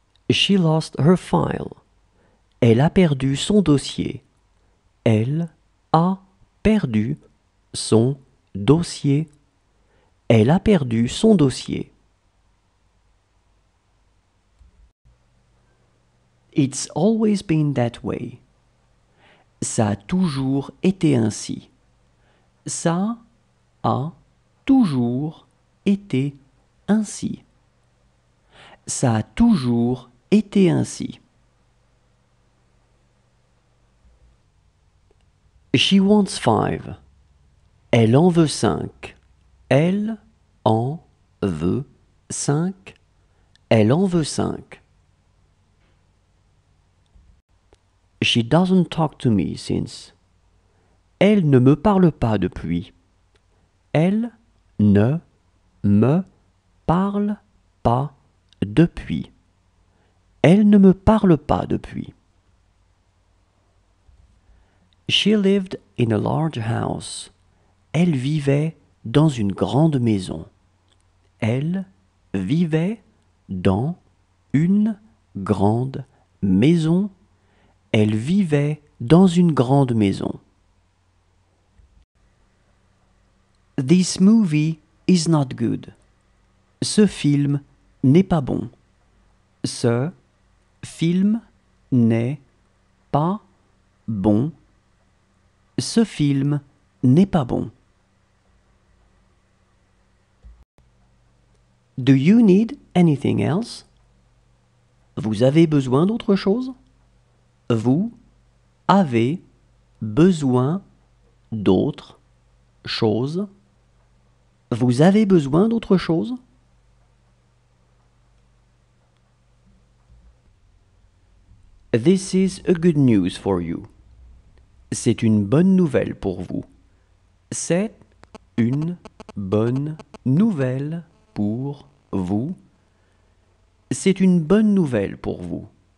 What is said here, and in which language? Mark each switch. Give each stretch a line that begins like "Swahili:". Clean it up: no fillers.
English: She lost her file.
French: Elle a perdu son dossier. Elle a perdu son dossier. Elle a perdu son dossier.
English: It's always been that way.
French: Ça a toujours été ainsi. Ça a toujours été ainsi. Ça a toujours été ainsi.
English: She wants five.
French: Elle en veut cinq. Elle en veut cinq. Elle en veut cinq.
English: She doesn't talk to me since.
French: Elle ne me parle pas depuis. Elle ne me parle pas depuis. Elle ne me parle pas depuis.
English: She lived in a large house.
French: Elle vivait dans une grande maison. Elle vivait dans une grande maison. Elle vivait dans une grande maison.
English: This movie is not good.
French: Ce film n'est pas bon. Ce film n'est pas bon. Ce film n'est pas bon.
English: Do you need anything else?
French: Vous avez besoin d'autre chose? Vous avez besoin d'autre chose? Vous avez besoin d'autre chose?
English: This is a good news for you.
French: C'est une bonne nouvelle pour vous. C'est une bonne nouvelle pour vous. C'est une bonne nouvelle pour vous.